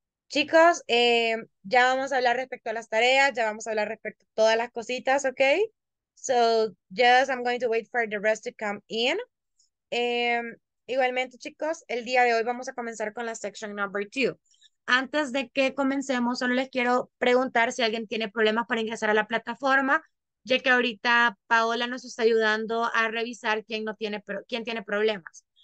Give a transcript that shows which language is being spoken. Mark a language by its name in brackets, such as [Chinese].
[Spanish] Chicos, ya vamos a hablar respecto a las tareas, ya vamos a hablar respecto a todas las cositas, ¿ok? [English] So, just I'm going to wait for the rest to come in. [Spanish] Igualmente, chicos, el día de hoy vamos a comenzar con la [English] section number two. [Spanish] Antes de que comencemos, solo les quiero preguntar si alguien tiene problemas para ingresar a la plataforma, ya que ahorita Paola nos está ayudando a revisar quién no tiene, pero quién tiene problemas.